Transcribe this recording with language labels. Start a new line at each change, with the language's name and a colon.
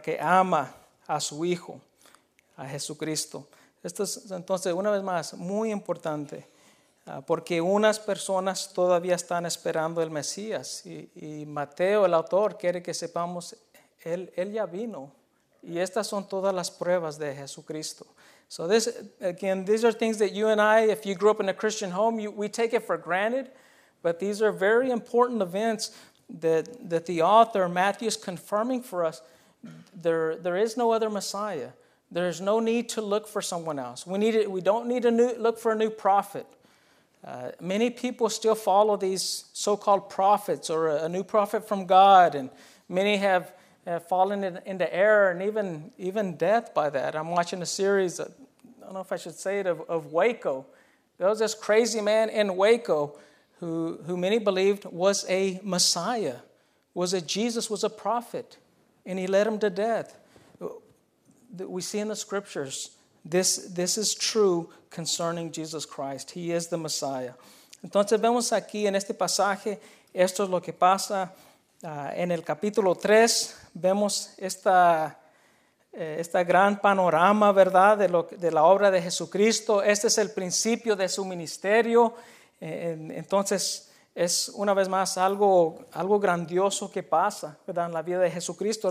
Spanish: Que ama a su Hijo, a Jesucristo. Esto es, entonces, una vez más, muy importante. Porque unas personas todavía están esperando el Mesías. Y Mateo, el autor, quiere que sepamos, él ya vino. Y estas son todas las pruebas de Jesucristo.
English: So this, again, these are things that you and I, if you grew up in a Christian home, we take it for granted. But these are very important events that the author, Matthew, is confirming for us. There is no other Messiah. There is no need to look for someone else. We don't need to look for a new prophet. Many people still follow these so-called prophets or a new prophet from God. And many have fallen into error and even death by that. I'm watching a series, I don't know if I should say it, of Waco. There was this crazy man in Waco who many believed was a Messiah, was a Jesus, was a prophet, and he led him to death. We see in the Scriptures, this is true concerning Jesus Christ. He is the Messiah.
Spanish: Entonces vemos aquí en este pasaje, esto es lo que pasa en el capítulo 3, vemos esta gran panorama, ¿verdad?, de la obra de Jesucristo. Este es el principio de su ministerio. Entonces es una vez más algo grandioso que pasa, ¿verdad?, en la vida de Jesucristo.